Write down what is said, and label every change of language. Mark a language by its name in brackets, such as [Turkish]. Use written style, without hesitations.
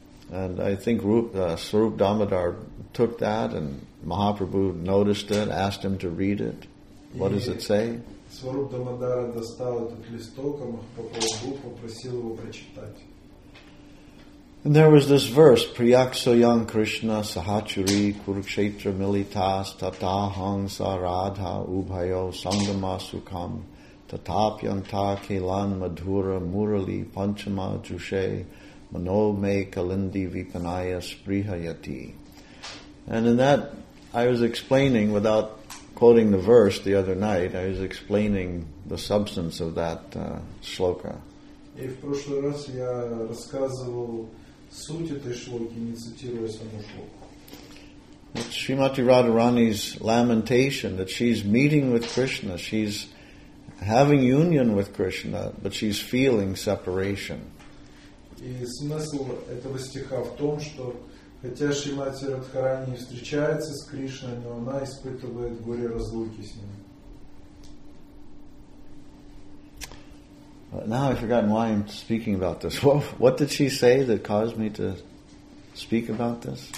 [English] And I think Sarup Damodar took that, and Mahaprabhu noticed it, asked him to read it. What does it say? [Russian] Сваруп Дамодара достал этот листок, а Махапрабху попросил его прочитать. [English] And there was this verse, [Sanskrit] Priyaksoyam Krishna Sahachuri Kurukshetra Militas Tata Hansa Radha Ubhayo Sangama Sukham Tatapyanta Kelan Madhura Murali Panchama Jushe Mano Me Kalindi Vipanaya Sprihayati. [English] And in that, I was explaining without quoting the verse the other night, I was explaining the substance of that shloka. [Russian] И в прошлый раз я рассказывал суть этой шлоки, не цитируя саму шлоку. [English] It's Srimati Radharani's lamentation that she's meeting with Krishna, she's having union with Krishna, but she's feeling separation. [Russian] И смысл этого стиха в том, что хотя Шримати Радхарани не встречается с Кришной, но она испытывает горе разлуки с ним. [English] But now I've forgotten why I'm speaking about this. What did she say that caused me to speak about this?